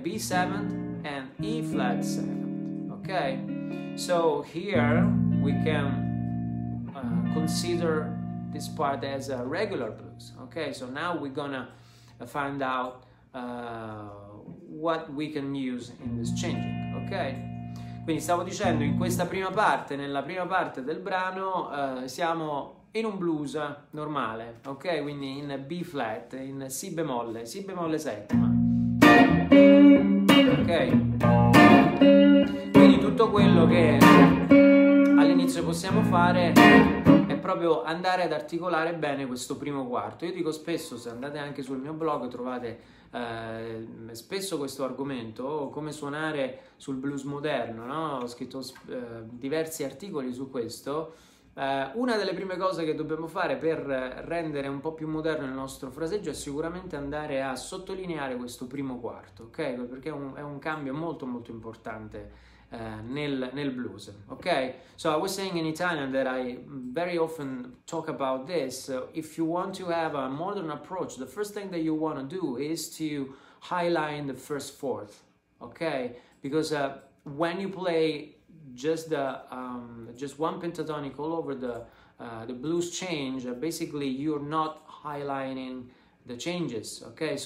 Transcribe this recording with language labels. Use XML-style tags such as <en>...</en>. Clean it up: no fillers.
<en>B seventh and E flat seventh. Okay, so here we can consider this part as a regular blues. Okay, so now we're gonna find out what we can use in this changing, ok?</en> <it>Quindi stavo dicendo, in questa prima parte, nella prima parte del brano, siamo in un blues normale, ok? Quindi in B flat, in si bemolle settima, ok? Quindi tutto quello che all'inizio possiamo fare è proprio andare ad articolare bene questo primo quarto. Io dico spesso, se andate anche sul mio blog, trovate spesso questo argomento, come suonare sul blues moderno, no? Ho scritto diversi articoli su questo. Una delle prime cose che dobbiamo fare per rendere un po' più moderno il nostro fraseggio è sicuramente andare a sottolineare questo primo quarto, ok? Perché è un cambio molto molto importante nel blues, ok?</it> <en>So I was saying in Italian that I very often talk about this. If you want to have a modern approach, the first thing that you want to do is to highlight the first fourth, ok? Because when you play just the just one pentatonic all over the blues change, basically you're not highlighting the changes, okay?</en>